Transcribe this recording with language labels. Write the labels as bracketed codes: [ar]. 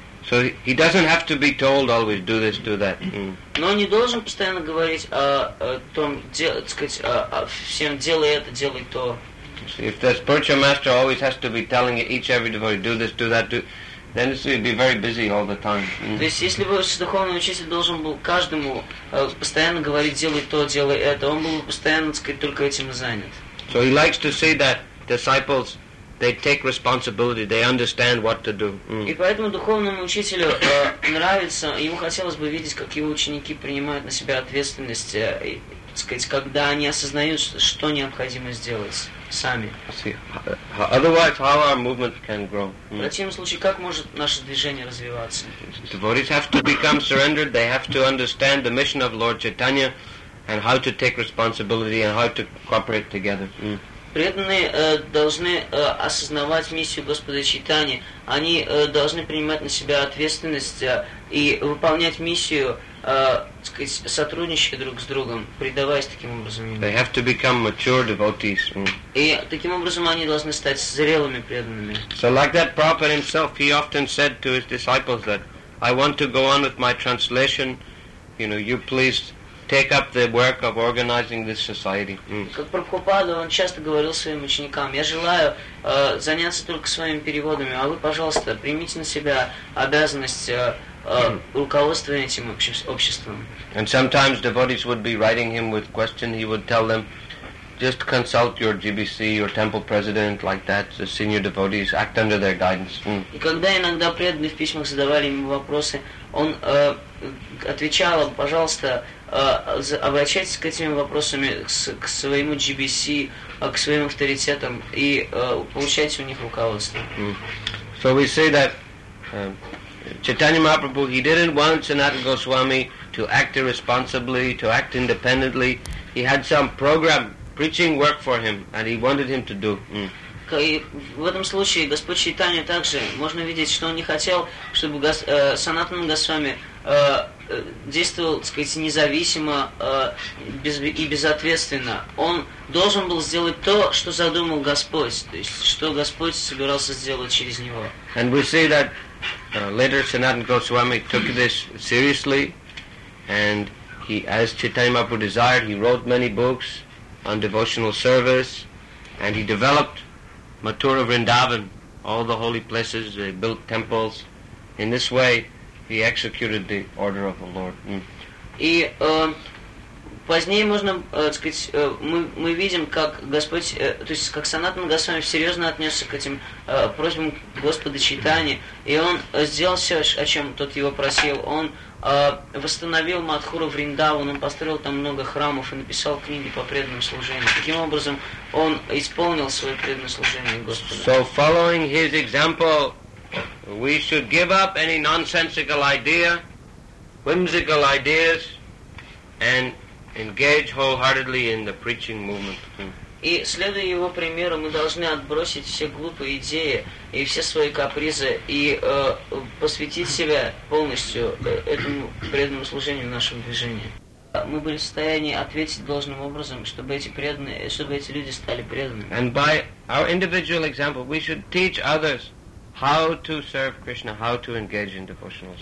[en] So he doesn't have to be told always do this, do that. [ru] Но он не должен постоянно говорить о том, всем делай это, делай то. [en] If the spiritual master always has to be telling each every devotee do this, do that, do, then it would be very busy all the time. [ru] То есть если бы духовный учитель должен был каждому постоянно говорить делай то, делай это, он был бы постоянно, только этим занят. [en] So he likes to say that disciples they take responsibility, they understand what to do. [ru] И поэтому духовному учителю нравится, ему хотелось бы видеть, как его ученики принимают на себя ответственность, сказать, когда они осознают, что необходимо сделать сами. [en] Otherwise, how our movement can grow? [ru] В противном случае, как может наше движение развиваться? [en] Devotees have to become surrendered. They have to understand the mission of Lord Chaitanya and how to take responsibility and how to cooperate together. [ru] Преданные должны осознавать миссию Господа Чайтани. Они должны принимать на себя ответственность и выполнять миссию, сказать, сотрудничая друг с другом, предаваясь таким образом. [en] They have to become mature devotees. Mm. [ru] И таким образом они должны стать зрелыми преданными. [en] So like that Prabhupada himself, he often said to his disciples that I want to go on with my translation, you know, you please take up the work of organizing this society. [ru] Как Прабхупада, он часто говорил своим ученикам, я желаю заняться только своими переводами, а вы, пожалуйста, примите на себя обязанность руководства этим обществом. [en] And sometimes devotees would be writing him with questions, he would tell them, just consult your GBC, your temple president, like that, the senior devotees, act under their guidance. [ru] И когда иногда преданные в письмах задавали ему вопросы, он отвечал, пожалуйста, обращайтесь к этими вопросами к своему GBC, к своим авторитетам и получайте у них руководство. Mm. [en] So we say that Chaitanya Mahaprabhu, he didn't want Sanatana Goswami to act irresponsibly, to act independently. He had some program, preaching work for him, and he wanted him to do. Mm. [ru] И в этом случае Господь Чайтанья также можно видеть, что он не хотел, чтобы Санатана Госвами действовал, так сказать, независимо и безответственно. Он должен был сделать то, что задумал Господь, то есть что Господь собирался сделать через него. [en] And we see that later Sanatana Goswami took this seriously, and he, as Chaitanya Mahaprabhu desired, he wrote many books on devotional service, and he developed Mathura Vrindavan, all the holy places, they built temples. In this way, he executed the order of the Lord. [ru] И позднее можно сказать, мы видим, как Господь, то есть как Санатана Госвами серьезно отнесся к этим просьбам Господа Чайтани, и он сделал все, о чем тот его просил. Он восстановил Мадхуру Вриндаван, он построил там много храмов и написал книги по преданному служению. Таким образом, он исполнил свое преданное служение Господу. [en] So following his example, we should give up any nonsensical idea, whimsical ideas, and engage wholeheartedly in the preaching movement. [ru] И следуя его примеру, мы должны отбросить все глупые идеи и все свои капризы и посвятить себя полностью этому преданному служению нашему движению. Мы были в состоянии ответить должным образом, чтобы эти преданные, чтобы эти люди стали преданными. [en] And by our individual example, we should teach others how to serve Krishna, how to engage in devotional service.